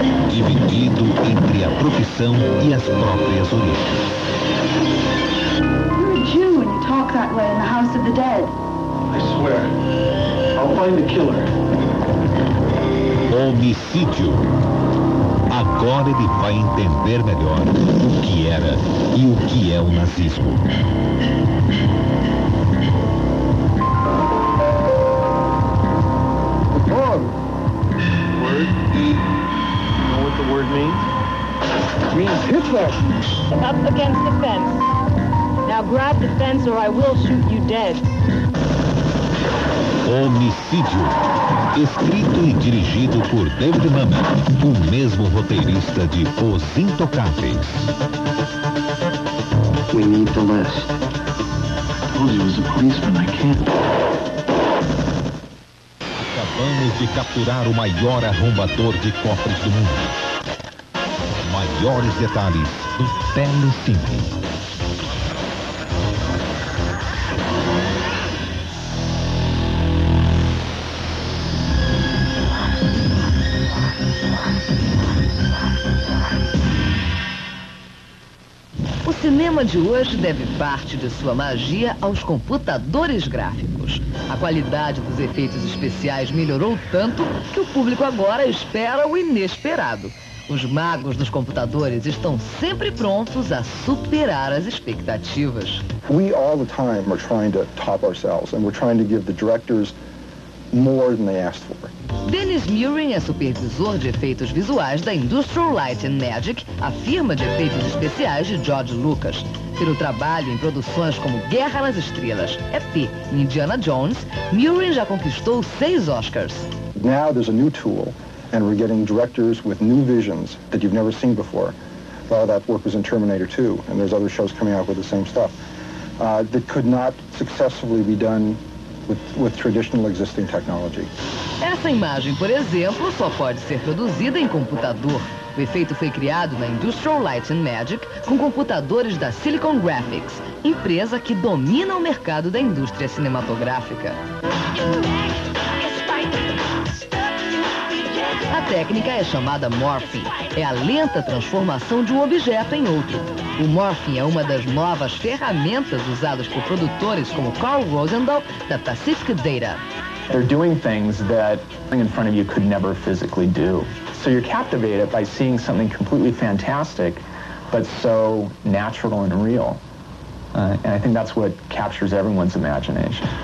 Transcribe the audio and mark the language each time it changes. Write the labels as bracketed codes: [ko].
[pt] Dividido entre a profissão e as próprias origens. [en] You're a Jew and you talk that way in the house of the dead. I swear. I'll find the killer. [pt] Homicídio. Agora ele vai entender melhor o que era e o que é o nazismo. [en] Up against the fence. Now grab the fence or I will shoot you dead. [pt] Homicídio. Escrito e dirigido por David Mamet, o mesmo roteirista de Os Intocáveis. [en] We need the list. I told you it was a policeman, I can't. [pt] Acabamos de capturar o maior arrombador de cofres do mundo. Maiores detalhes do Telecine. O cinema de hoje deve parte de sua magia aos computadores gráficos. A qualidade dos efeitos especiais melhorou tanto que o público agora espera o inesperado. Os magos dos computadores estão sempre prontos a superar as expectativas. [en] We all the time are trying to top ourselves and we're trying to give the directors more than they asked for. [pt] Dennis Muren é supervisor de efeitos visuais da Industrial Light and Magic, a firma de efeitos especiais de George Lucas. Pelo trabalho em produções como Guerra nas Estrelas, E.T. e Indiana Jones, Muren já conquistou 6 Oscars. [en] Now there's a new tool. And we're getting directors with new visions that you've never seen before. A lot of that work was in Terminator 2, and there's other shows coming out with the same stuff that could not successfully be done with traditional existing technology. [pt] Essa imagem, por exemplo, só pode ser produzida em computador. O efeito foi criado na Industrial Light and Magic com computadores da Silicon Graphics, empresa que domina o mercado da indústria cinematográfica. A técnica é chamada morphing. É a lenta transformação de um objeto em outro. O morphing é uma das novas ferramentas usadas por produtores como Carl Rosenthal da Pacific Data. [en] They're doing things that something in front of you could never physically do. So you're captivated by seeing something completely fantastic, but so natural and real. And I think that's what captures everyone's imagination.